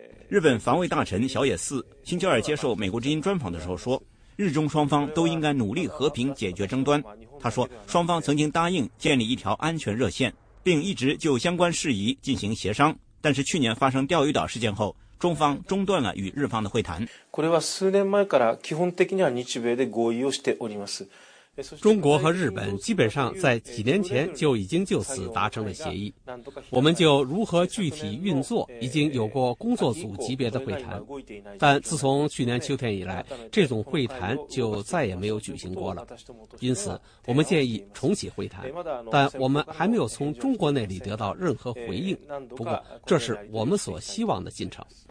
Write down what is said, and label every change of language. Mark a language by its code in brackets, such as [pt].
[zh] 日本防卫大臣小野寺星期二接受美国之音专访的时候说，日中双方都应该努力和平解决争端。他说，双方曾经答应建立一条安全热线，并一直就相关事宜进行协商，但是去年发生钓鱼岛事件后，中方中断了与日方的会谈。 [ja] これは数年前から基本的には日米で合意をしております。 [zh] 中国和日本基本上在几年前就已经就此达成了协议，我们就如何具体运作已经有过工作组级别的会谈，但自从去年秋天以来，这种会谈就再也没有举行过了，因此我们建议重启会谈，但我们还没有从中国那里得到任何回应，不过这是我们所希望的进程。